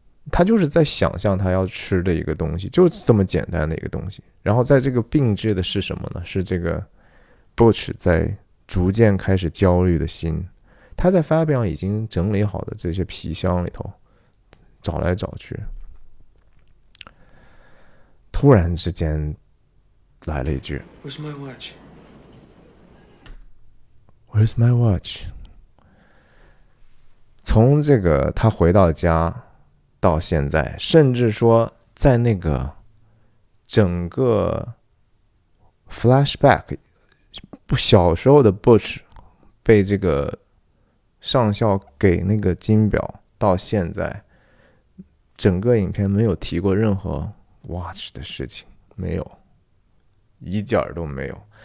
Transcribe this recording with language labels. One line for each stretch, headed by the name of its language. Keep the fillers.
Chinese: 他就是在想象他要吃的一个东西，就是这么简单的一个东西。然后，在这个并置的是什么呢？是这个 Bouch 在逐渐开始焦虑的心。他在 Fabian 已经整理好的这些皮箱里头找来找去，突然之间来了一句：“
English: Where's my watch？Where's my watch？”
Chinese: 从这个他回到家。到现在，甚至说在那个整个 flashback，不小时候的 Butch 被这个上校给那个金表，到现在整个影片没有提过任何 watch 的事情，没有一点儿都没有。